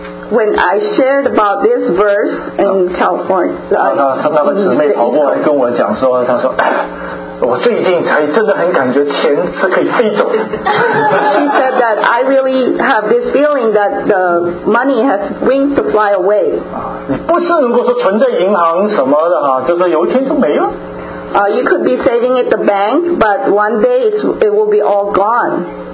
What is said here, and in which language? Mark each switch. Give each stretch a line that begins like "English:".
English: When I shared about this verse in California,
Chinese: 那个姊妹跑过来跟我讲说，她说。我最近才真的很感觉钱是可以飞走的。
English: She said that I really have this feeling that the money has wings to fly away.
Chinese: 你不是能够说存在银行什么的哈，就是有一天就没了。
English: You could be saving at the bank, but one day it will be all gone.